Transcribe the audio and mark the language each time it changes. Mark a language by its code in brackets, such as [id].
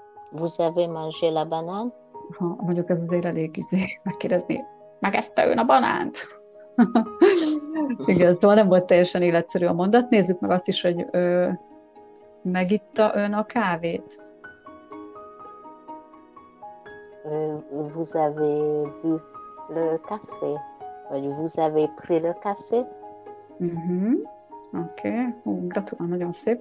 [fr] Vous avez mangé la banane? [hu] Ha mondjuk ez azért elég izé megkérdezni, megette ön a banánt? Igen, szóval nem volt teljesen életszerű a mondat. Nézzük meg azt is, hogy megitta ön a kávét? [fr] Vous avez bu le café? Vagy vous avez pris le café? [hu] Oké, gratulálok, nagyon szép.